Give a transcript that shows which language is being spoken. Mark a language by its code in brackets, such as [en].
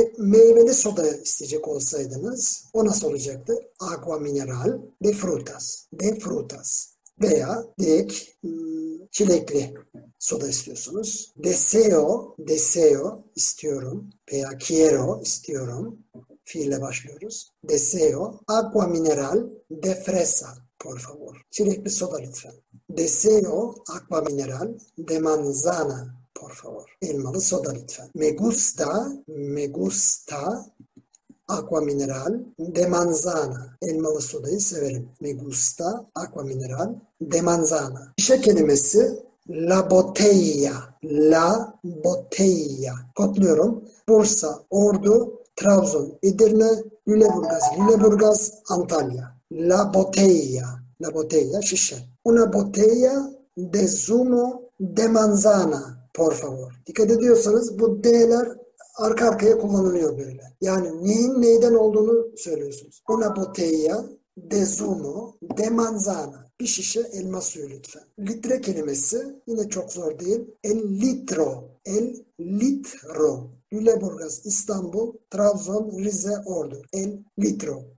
[tr] Meyveli soda isteyecek olsaydınız o nasıl olacaktı? [es] Agua mineral de frutas, de frutas veya direkt çilekli soda istiyorsunuz. [tr] Deseo, deseo istiyorum veya quiero istiyorum. Fiille başlıyoruz. [es] Deseo agua mineral de fresa, por favor. [tr] Çilekli soda lütfen. [es] Deseo agua mineral de manzana, por favor. [tr] Elmalı soda lütfen. [es] Me gusta agua mineral de manzana. [tr] Elmalı sodayı severim. [es] Me gusta agua mineral de manzana. [tr] Şişe kelimesi la botella. La botella. Kodluyorum. Bursa, Ordu, Trabzon, Edirne, Lüleburgaz, Lüleburgaz, Antalya. [es] La botella, la botella, şişe. Una botella de zumo de manzana, por favor. [tr] Dikkat ediyorsanız bu D'ler arka arkaya kullanılıyor böyle. Yani neyin neyden olduğunu söylüyorsunuz. [es] Una botella de zumo, de manzana. [tr] Bir şişe elma suyu lütfen. Litre kelimesi yine çok zor değil. El litro, el litro. Lüleburgaz, İstanbul, Trabzon, Rize, Ordu. El litro.